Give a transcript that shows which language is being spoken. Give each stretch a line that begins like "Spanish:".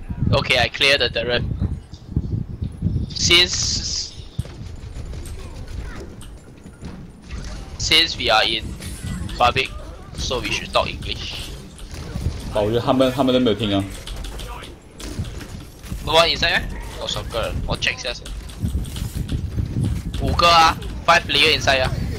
English: Okay, I clear the 德瑞。 Since we are in public, so we should talk English.
Chinese: 我觉得他们都没有听啊。
English: No one inside?
Chinese: 多少个人？我 check 一下先。五个啊 ，
English: five player inside
Chinese: 啊。